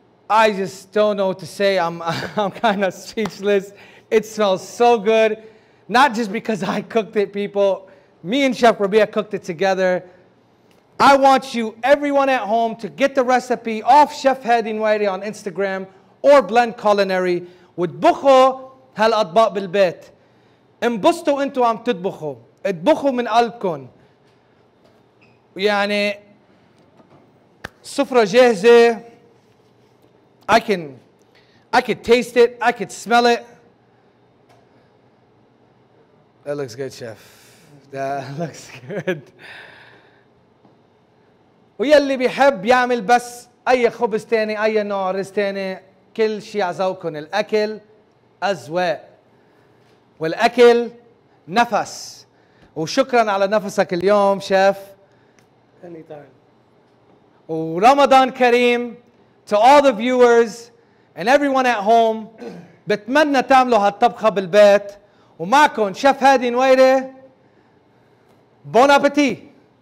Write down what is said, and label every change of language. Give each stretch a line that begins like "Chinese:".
English: I just don't know what to say. I'm kind of speechless. It smells so good, not just because I cooked it, people. Me and Chef Rabia cooked it together. I want you, everyone at home, to get the recipe off Chef Hadi Nwairi on Instagram or Blend Culinary.
Arabic: وتبخوا هالأطباق بالبيت. انبسطوا انتوا عم تطبخوا. اطبخوا من قلبكم. يعني السفرة جاهزة.
English: I could taste it. I could smell it. That looks good, chef. That looks good.
Arabic: ويلي بيحب يعمل بس أي خبز تاني، أي نوع رز تاني، كل شيء على ذوقكم. الاكل اذواق والاكل نفس. وشكرا على نفسك اليوم شيف.
English: Any time.
Arabic: ورمضان كريم
English: to all the viewers and everyone at home.
Arabic: بتمنى تعملوا هالطبخه بالبيت ومعكم شيف هادي نويري. بون ابيتي.